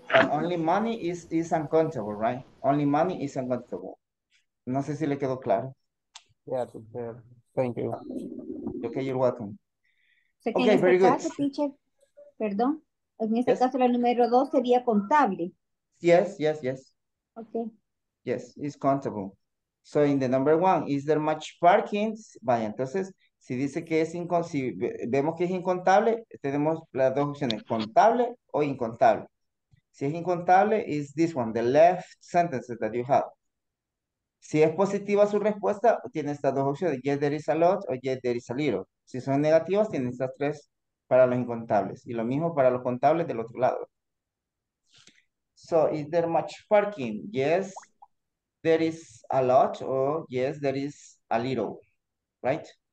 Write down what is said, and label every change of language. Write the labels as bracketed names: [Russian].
[English] Only money is uncountable, right? Only money is uncountable. [Spanish] No sé si le quedó claro. [English] Yeah, teacher. Thank you. Ok, you're welcome. So, ok, very good. [Spanish] Caso, teacher, perdón, en este caso la número 2 sería contable. [English] Yes, yes, yes. Ok. Yes, it's countable. So in the number 1, is there much parking? [Spanish] Vaya, entonces... Si dice que es vemos que es incontable, tenemos las dos opciones, contable o incontable. Si es incontable, [English] is this one, the left sentence that you have. [Spanish] Si es positiva su respuesta, tiene estas dos opciones, [English] yes, there is a lot [Spanish] o [English] yes, there is a little. [Spanish] Si son negativas, tiene estas tres para los incontables. Y lo mismo para los contables del otro lado. [English] So, is there much parking? Yes, there is a lot o yes, there is a little, right?